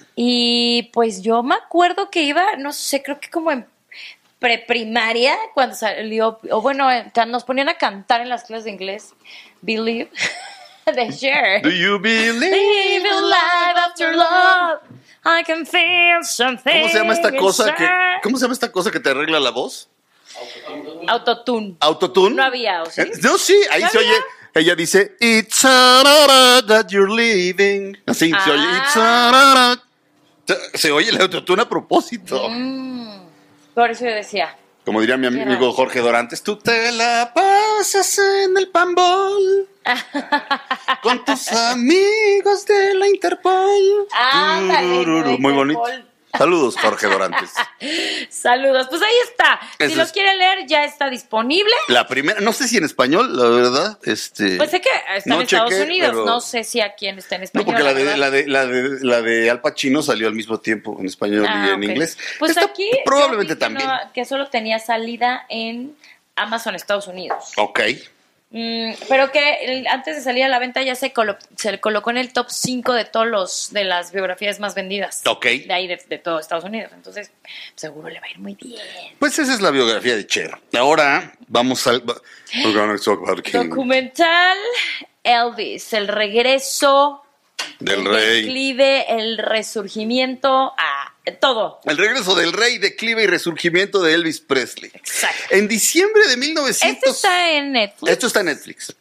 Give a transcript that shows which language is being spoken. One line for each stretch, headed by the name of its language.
Spanish: Y pues yo me acuerdo que iba, no sé, creo que como en preprimaria, cuando salió, o bueno, nos ponían a cantar en las clases de inglés, Believe, de Cher.
English: Do you believe in life after love? I can feel something.
Spanish: ¿Cómo se llama esta cosa que, ¿cómo se llama esta cosa que te arregla la voz? Autotune. ¿Autotune? No había, ¿o sí? No, sí, ahí se oye. Ella dice,
English: it's a la la that you're leaving.
Spanish: Así se oye,
English: it's a la la.
Spanish: Se oye el autotune a propósito. Por eso yo decía. Como diría mi amigo Jorge Dorantes, tú te la pasas en el pambol. Con tus amigos de la Interpol. Muy bonito. Saludos, Jorge Dorantes. Saludos. Pues ahí está. Eso, si los quiere leer, ya está disponible. La primera, no sé si en español, la verdad. Pues sé que está en Estados Unidos. Pero no sé si aquí está en español. No, porque la de Al Pacino salió al mismo tiempo en español y en inglés. Pues esta aquí probablemente que también. No, que solo tenía salida en Amazon, Estados Unidos. Ok. Pero que antes de salir a la venta ya se colocó en el top 5 de todos los de las biografías más vendidas. Okay. De ahí de todo Estados Unidos. Entonces, seguro le va a ir muy bien. Pues esa es la biografía de Cher. Ahora vamos al
English: we're gonna talk about King.
Spanish: Documental Elvis, el regreso del rey. Declive, el resurgimiento a todo. El regreso del rey, declive y resurgimiento de Elvis Presley. Exacto. En diciembre de 1900. Esto está en Netflix. Esto está en Netflix.